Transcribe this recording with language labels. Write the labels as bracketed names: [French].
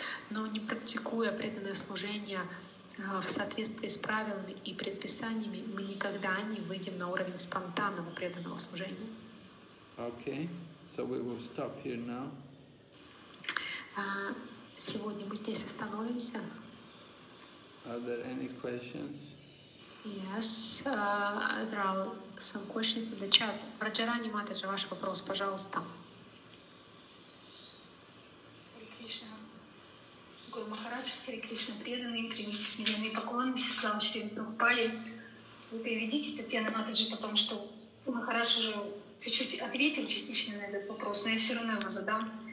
[Russian] Но не практикуя преданное служение в соответствии с правилами и предписаниями, мы никогда не выйдем на уровень спонтанного преданного служения. [English] Okay, so we will stop here now. [Russian] Сегодня мы здесь остановимся. [English] Are there any questions? Yes, there are some questions in the chat. [Russian] Раджарани Матаджи, ваш вопрос, пожалуйста. Хари Кришна. Гуру Махарадж, Хари Кришна, преданный, принести смиренные поклоны, Мистислава Чтение Прабхупаде. Вы переведите Татьяна Матаджи, потому что Махарадж уже чуть-чуть ответил частично на этот вопрос, но я все равно его задам.